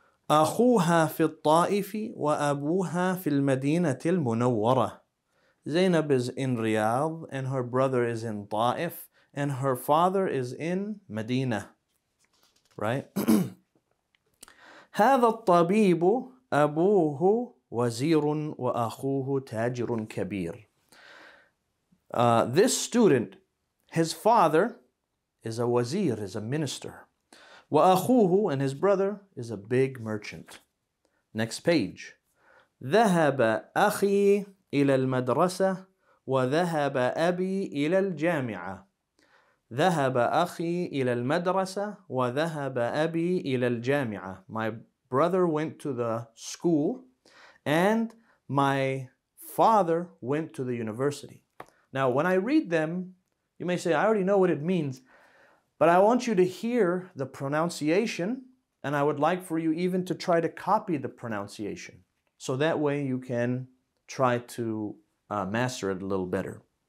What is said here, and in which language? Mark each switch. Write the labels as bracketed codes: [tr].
[ar] أخوها في الطائف وأبوها في المدينة المنورة. [en] Zainab is in Riyadh and her brother is in Taif and her father is in Medina. Right? [ar] هذا الطبيب أبوه وزير وأخوه تاجر كبير. [en] This student, his father is a wazir, is a minister. وأخوه and his brother is a big merchant. Next page. [ar] ذهب أخي إلى المدرسة وذهب أبي إلى الجامعة. ذهب أخي إلى المدرسة وذهب أبي إلى الجامعة. [en] My brother went to the school and my father went to the university. Now, when I read them, you may say, I already know what it means, but I want you to hear the pronunciation and I would like for you even to try to copy the pronunciation so that way you can try to master it a little better.